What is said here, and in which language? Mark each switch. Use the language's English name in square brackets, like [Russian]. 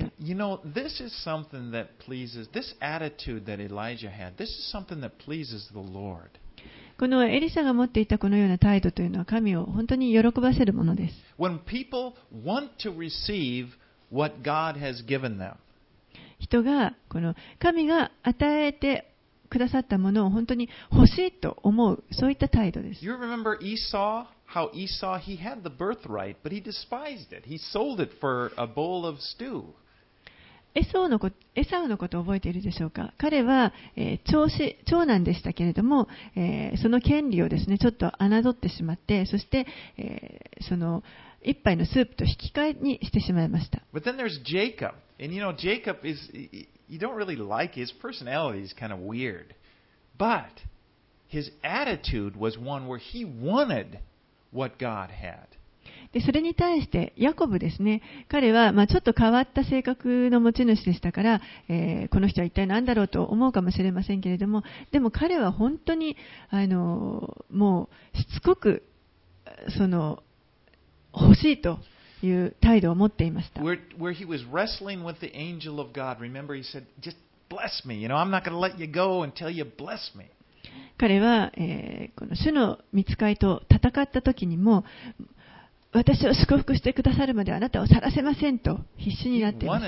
[English] And you know, this is something that pleases, this attitude that Elijah had, this is something that pleases the Lord. [Japanese] このエリシャが持っていたこのような態度というのは神を本当に喜ばせるものです。 [English] When people want to receive what God has given them. [Japanese] 人がこの神が与えてくださったものを本当に欲しいと思う、そういった態度です。 [English] You remember Esau? How Esau, he had the birthright, but he despised it. He sold it for a bowl of stew. [Japanese] エサウのことを覚えているでしょうか。彼は、長男でしたけれども、その権利をですね、ちょっと侮ってしまって、そして、その一杯のスープと引き換えにしてしまいました。 [English] But then there's Jacob. And you know, Jacob is, you don't really like his personality, he's kind of weird. But his attitude was one where he wanted what God had. [Japanese] でそれに対してヤコブですね、彼はまあちょっと変わった性格の持ち主でしたから、この人は一体何だろうと思うかもしれませんけれども、でも彼は本当にもうしつこくその欲しいという態度を持っていました。 [English] where he was wrestling with the angel of God, remember he said, just bless me, you know, I'm not going to let you go until you bless me. [Japanese] 彼は、この主の御使いと戦った時にも、私を祝福してくださるまであなたを去らせませんと必死になっていました。